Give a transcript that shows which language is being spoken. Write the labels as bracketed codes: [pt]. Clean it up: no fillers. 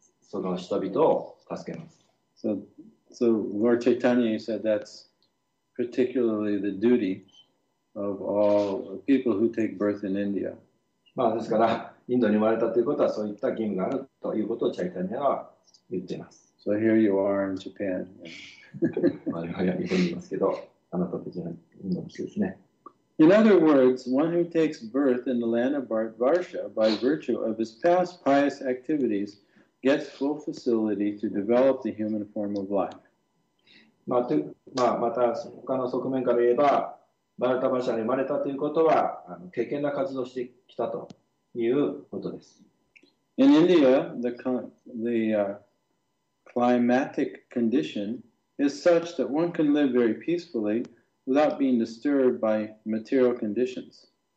[en] So Lord Chaitanya said that's particularly the duty of all people who take birth in India. [ja] まあ、ですから、インドに生まれたということは、そういった義務があるということをチャイタニアは言っています。 [en] So here you are in Japan. [ja] まあ、やりとりますけど、あなたたちはインドの人ですね。 [en] In other words, one who takes birth in the land of Varsha by virtue of his past pious activities gets full facility to develop the human form of life. [ja] まあ、まあ、また他の側面から言えば、バルタバシャに生まれたということは、経験な活動をしてきたということです。 [en] In India, the climatic condition is such that one can live very peacefully without being disturbed by material conditions.